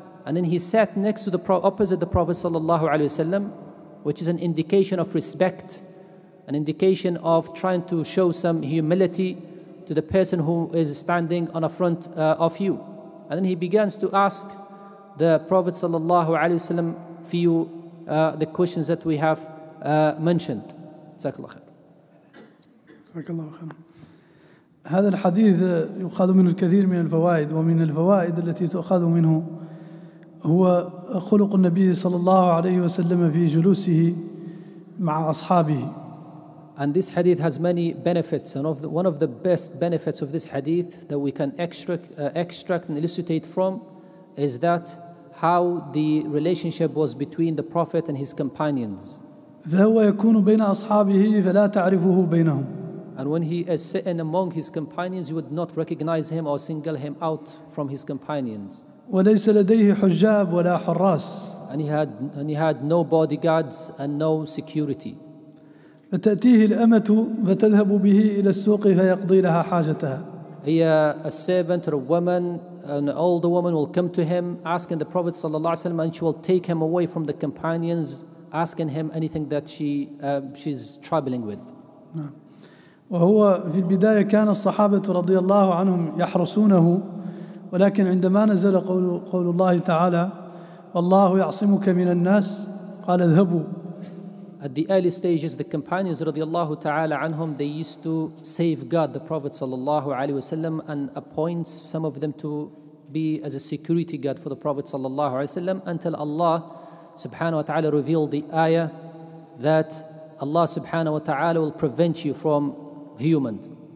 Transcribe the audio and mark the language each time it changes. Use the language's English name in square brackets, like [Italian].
[English] And then he sat next to the opposite the Prophet [Arabic] sallallahu alaihi wasallam, [English] which is an indication of respect, an indication of trying to show some humility to the person who is standing on the front of you. And then he begins to ask the Prophet [Arabic] sallallahu alaihi wasallam [English] few the questions that we have mentioned. [Arabic] Jazakallahu khair. Jazakallahu khair. هذا الحديث يؤخذ منه الكثير من الفوائد, ومن الفوائد التي تؤخذ منه هو خلق النبي صلى الله عليه وسلم في جلوسه مع أصحابه. [English] And this hadith has many benefits, and one of the best benefits of this hadith that we can extract and elucidate from is that how the relationship was between the Prophet and his companions. [Arabic] فهو يكون بين أصحابه فلا تعرفه بينهم. [English] And when he is sitting among his companions, you would not recognize him or single him out from his companions. [Arabic] وليس لديه حجاب ولا حراس. [English] And he had no bodyguards and no security. [Arabic] فتأتيه الأمة فتذهب به إلى السوق فيقضي لها حاجتها. هي [English] a servant or a woman, an older woman will come to him asking the Prophet [Arabic] صلى الله عليه وسلم, [English] and she will take him away from the companions asking him anything that she she's troubling with. [Arabic] وهو في البداية كان الصحابة رضي الله عنهم يحرسونه، ولكن عندما نزل قول الله تعالى والله يعصمك من الناس قال اذهبوا. [English] At the early stages, the companions [Arabic] رضي الله تعالى عنهم, [English] they used to safeguard the Prophet [Arabic] صلى الله عليه وسلم [English] and appoint some of them to be as a security guard for the Prophet صلى الله عليه وسلم until Allah [Arabic] سبحانه وتعالى [English] revealed the ayah that Allah سبحانه وتعالى will prevent you from humans.